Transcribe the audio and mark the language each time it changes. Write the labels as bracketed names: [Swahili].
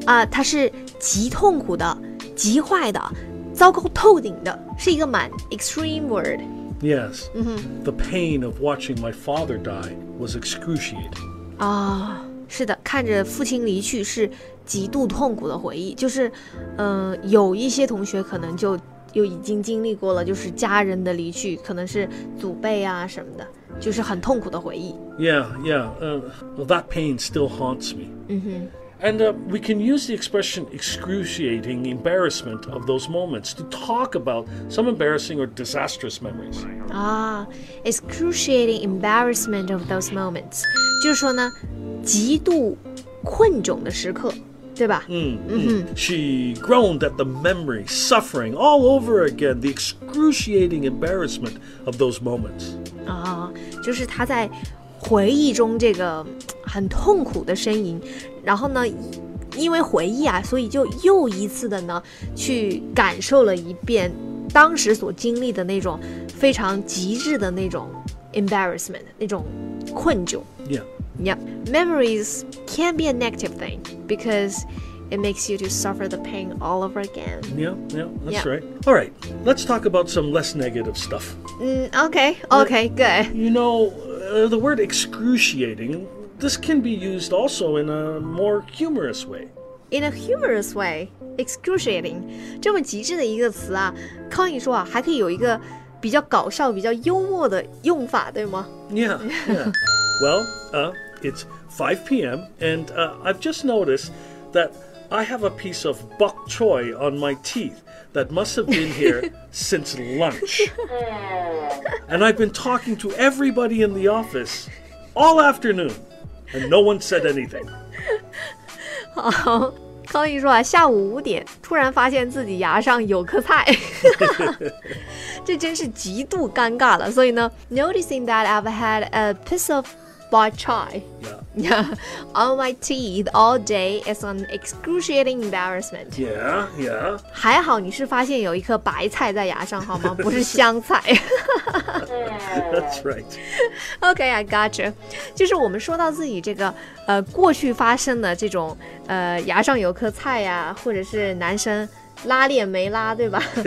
[Chinese] 它是极痛苦的、极坏的、糟糕透顶的，是一个蛮 extreme word. [English] Yes,、mm-hmm. The pain of watching my father die was excruciating. [Chinese] Ah,、oh, 是的，看着父亲离去是极度痛苦的回忆。就是，有一些同学可能就已经经历过了，就是家人的离去，可能是祖辈啊什么的，就是很痛苦的回忆。 [English] Yeah, that pain still haunts me. Mm-hmm. And we can use the expression excruciating embarrassment of those moments to talk about some embarrassing or disastrous memories. Ah, excruciating embarrassment of those moments. [Chinese] 就是说呢，极度困窘的时刻。对吧、 [English] She groaned at the memory, suffering all over again, the excruciating embarrassment of those moments. [Chinese] 啊、就是她在回忆中这个很痛苦的呻吟，然后呢，因为回忆啊，所以就又一次的呢，去感受了一遍当时所经历的那种非常极致的那种 embarrassment, 那种困窘。 [English] Yeah. Yep, memories can be a negative thing because it makes you to suffer the pain all over again. Yeah, that's right. All right, let's talk about some less negative stuff. Okay, good. You know, the word excruciating, this can be used also in a more humorous way. In a humorous way, excruciating. [Chinese] 这么极致的一个词啊，康宇说啊，还可以有一个比较搞笑、比较幽默的用法，对吗？ [English] Yeah, yeah. Well, it's 5 p.m. and I've just noticed that I have a piece of bok choy on my teeth that must have been here since lunch. And I've been talking to everybody in the office all afternoon and no one said anything. [Chinese] 好，康宇说啊，下午五点突然发现自己牙上有颗菜。这真是极度尴尬了。所以呢 , [English] noticing that I've had a piece of bok choy on my teeth all day is an excruciating embarrassment. Yeah. [Chinese] 还好你是发现有一颗白菜在牙上好吗？不是香菜。 [English] That's right. Okay, I got you. [Chinese] 就是我们说到自己这个过去发生的这种牙上有颗菜呀，或者是男生拉链没拉，对吧？